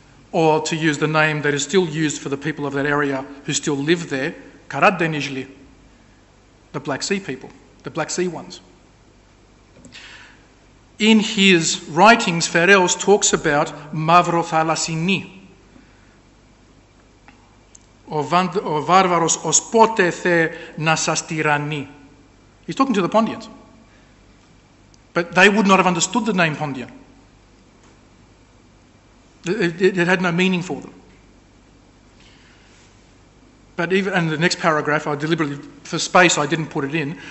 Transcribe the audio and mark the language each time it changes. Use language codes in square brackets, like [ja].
[en] Or to use the name that is still used for the people of that area who still live there, Karadenizli, the Black Sea people, the Black Sea ones. In his writings, Phaereos talks about Mavrothalassini. [el] Ο βάρβαρος ως πότε θε να σας τυραννεί. [en] He's talking to the Pontians. But they would not have understood the name Pontian. It had no meaning for them. But even and the next paragraph, I deliberately, for space, I didn't put it in.